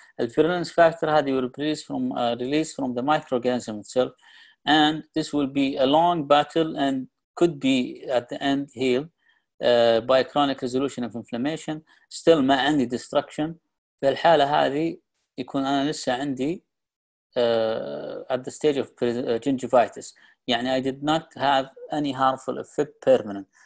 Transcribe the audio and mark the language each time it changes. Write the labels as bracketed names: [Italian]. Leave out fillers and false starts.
[English] The virulence factor هذه will release from release from the microorganism itself. And this will be a long battle and could be at the end healed by chronic resolution of inflammation. [Arabic] Still, ما عندي destruction. في الحالة هذه يكون أنا لسه عندي [English] at the stage of gingivitis. يعني I did not have any harmful effect permanent.